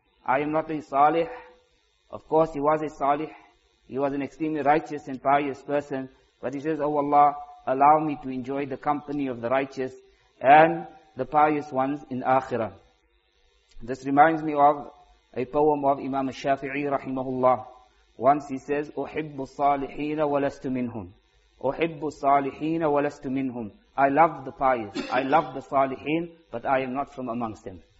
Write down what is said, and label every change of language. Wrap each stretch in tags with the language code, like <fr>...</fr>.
<en>I am not a salih. Of course he was a salih. He was an extremely righteous and pious person. But he says, oh Allah, allow me to enjoy the company of the righteous and the pious ones in Akhirah. This reminds me of a poem of Imam Shafi'i rahimahullah. Once he says,</en> <ar>أُحِبُّ الصَّالِحِينَ وَلَسْتُ مِنْهُمْ أُحِبُّ الصَّالِحِينَ وَلَسْتُ مِنْهُمْ.</ar> <en>I love the pious, I love the salihin, but I am not from amongst them.</en>